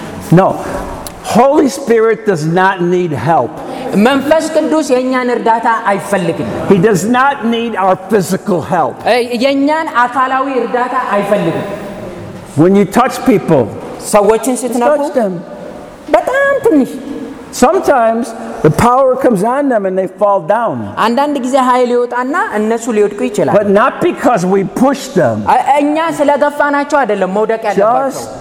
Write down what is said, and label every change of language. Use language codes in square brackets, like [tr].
[en] No. Holy Spirit does not need help. [am] መንፈስ ቅዱስ የኛን እርዳታ አይፈልግም. [en] He does not need our physical help. [am] የኛን አካላዊ እርዳታ አይፈልግም. [en] When you touch people, [am] ሰዎችን ስትነኩ [en] touch them. [am] በጣም ትንሽ [en] Sometimes the power comes on them and they fall down. [am] አንዳንድ ጊዜ ኃይል ይወጣና እነሱ ሊወድቁ ይችላል. [en] But not because we push them. [am] እኛ ስለገፋናቸው አይደለም መውደቅ ያለባቸው.